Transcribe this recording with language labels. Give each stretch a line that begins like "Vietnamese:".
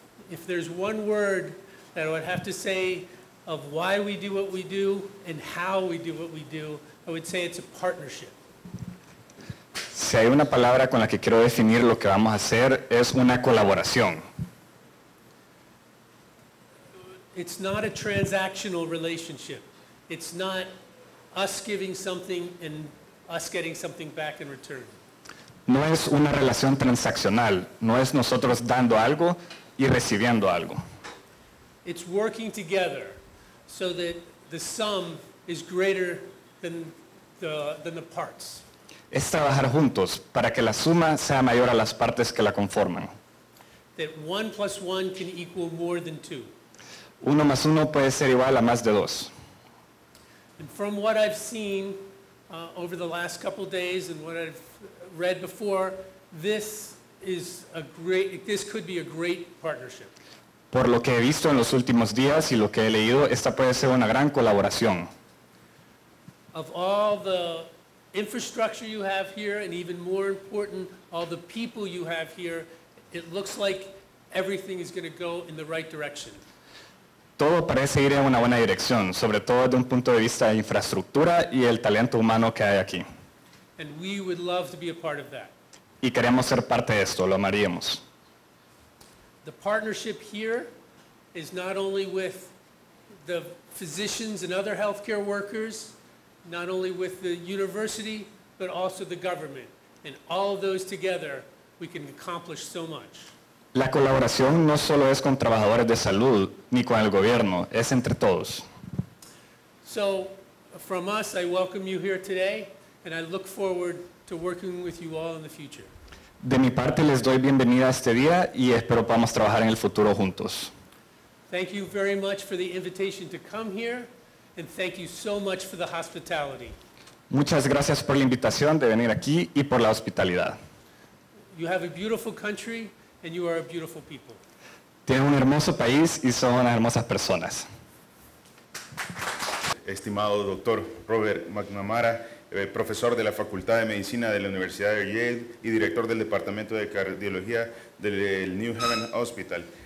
English: If there's one word that I would have to say of why we do what we do and how we do what we do, I would say it's a partnership.
Spanish: Si hay una palabra con la que quiero definir lo que vamos a hacer, es una colaboración.
English: It's not a transactional relationship. It's not us giving something and us getting something back in return.
Spanish: No es una relación transaccional. No es nosotros dando algo y recibiendo algo.
English: It's working together so that the sum is greater than the parts.
Spanish: Es trabajar juntos para que la suma sea mayor a las partes que la conforman.
English: That one plus one can equal more than two.
Spanish: Uno más uno puede ser igual a más de dos.
English: And from what I've seen over the last couple of days and what I've read before, this could be a great partnership.
Spanish: Por lo que he visto en los últimos días y lo que he leído, esta puede ser una gran colaboración.
English: Of all the infrastructure you have here, and even more important, all the people you have here, it looks like everything is going to go in the right direction.
Spanish: Todo parece ir en una buena dirección, sobre todo desde un punto de vista de infraestructura y el talento humano que hay aquí.
English: And we would love to be a part of that.
Spanish: Y queremos ser parte de esto, lo amaríamos.
English: The partnership here is not only with the physicians and other healthcare workers, not only with the university, but also the government. And all of those together, we can accomplish so much.
Spanish: La colaboración no solo es con trabajadores de salud ni con el gobierno, es entre todos.
English: So, from us, I welcome you here today, and I look forward to working with you all in the future.
Spanish: De mi parte, les doy bienvenida a este día y espero podamos trabajar en el futuro juntos.
English: Thank you very much for the invitation to come here, and thank you so much for the hospitality.
Spanish: Muchas gracias por la invitación de venir aquí y por la hospitalidad.
English: You have a beautiful country. And you are a beautiful people.
Spanish: Tienen un hermoso país y son unas hermosas personas. Estimado doctor Robert McNamara, profesor de la Facultad de Medicina de la Universidad de Yale y director del Departamento de Cardiología del New Haven Hospital.